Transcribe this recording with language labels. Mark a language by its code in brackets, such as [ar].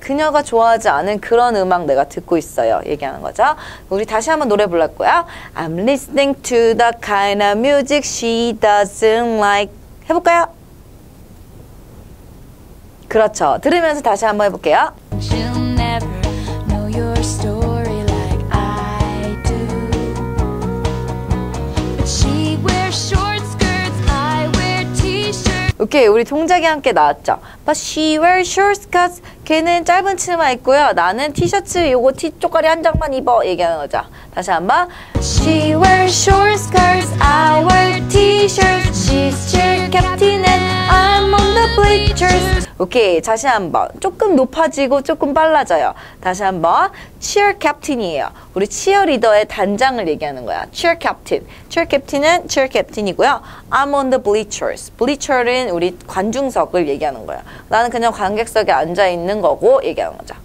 [ko] 그녀가 좋아하지 않은 그런 음악 내가 듣고 있어요. 얘기하는 거죠. 우리 다시 한번 노래 불러 볼게요. [en] I'm listening to the kind of music she doesn't like. [ko] 해볼까요? 그렇죠. 들으면서 다시 한번 해볼게요. [en] She'll never know your story like I do. But she wears short skirts, I wear t-shirts. [ko] 오케이, 우리 동작이 함께 나왔죠. [en] But she wears short skirts. [ko] 걔는 짧은 치마 입고요. 나는 티셔츠, 요거 티 쪽가리 한 장만 입어. 얘기하는 거죠. 다시 한번. [en] She wears short skirts, I wear t-shirts. She's cheer captain and I'm on the bleachers. [ko] 오케이, 다시 한번 조금 높아지고 조금 빨라져요. 다시 한번 cheer captain이에요. 우리 cheerleader의 단장을 얘기하는 거야. [en] cheer captain. cheer captain은 cheer captain이고요. I'm on the bleachers. [ko] bleacher은 우리 관중석을 얘기하는 거야. 나는 그냥 관객석에 앉아 있는 거고 얘기하는 거죠.